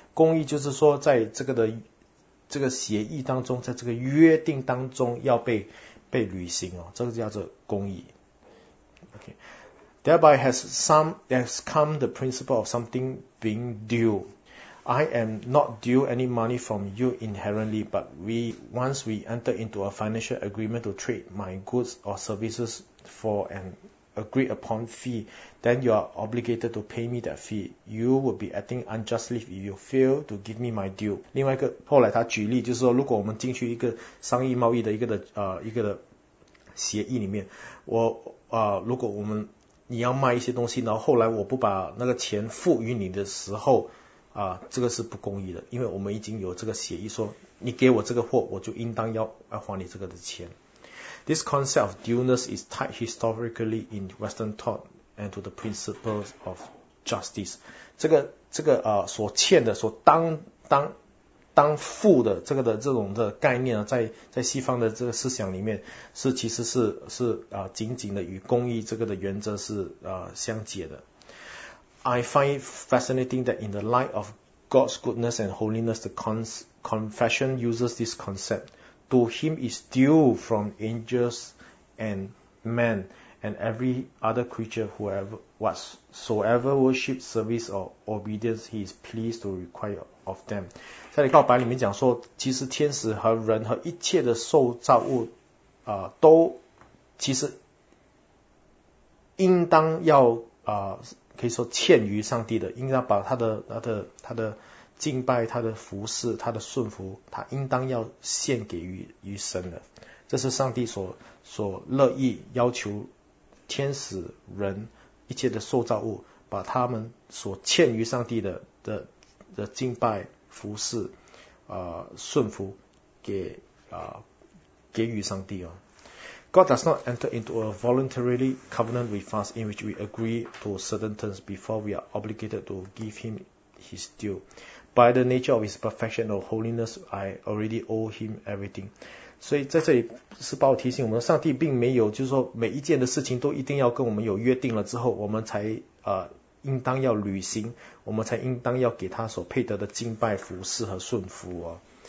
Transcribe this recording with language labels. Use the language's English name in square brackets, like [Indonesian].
[Chinese] 公义就是说，在这个协议当中，在这个约定当中要被履行哦，这个叫做公义。 [English] Okay. Thereby has come the principle of something being due. I am not due any money from you inherently, but once we enter into a financial agreement to trade my goods or services for anAgree upon fee, then you are obligated to pay me that fee. You will be acting unjustly if you fail to give me my due. [Chinese] 另外一个，后来他举例就是说，如果我们进去一个商业贸易的一个的协议里面，如果你要卖一些东西，然后后来我不把那个钱付予你的时候，这个是不公义的，因为我们已经有这个协议说，你给我这个货，我就应当要还你这个的钱。 [English] This concept of dueness is tied historically in Western thought and to the principles of justice. [Chinese] 这个所欠的、所当付的这个的这种的概念呢，在西方的这个思想里面是其实是紧紧的与公义这个的原则是相结的。 [English] I find it fascinating that in the light of God's goodness and holiness, the confession uses this concept.To him is due from angels and men, and every other creature whoever whatsoever worships service or obedience he is pleased to require of them. [Chinese] 在你告白里面讲说其实天使和人和一切的受造物、都其实应当要、可以说欠于上帝的，应当把他的敬拜、他的服侍、他的顺服，他应当要献给 于神的。这是上帝所乐意要求天使、人一切的受造物，把他们所欠于上帝 的敬拜、服侍、顺服给予上帝、哦。 [English] God does not enter into a voluntarily covenant with us in which we agree to certain terms before we are obligated to give him his due. By the nature of his perfection or holiness, I already owe him everything. [Chinese] 所以在这里是把我提醒我们，上帝并没有就是说每一件的事情都一定要跟我们有约定了之后我们才、应当要履行，我们才应当要给他所配得的敬拜、服侍和顺服、哦。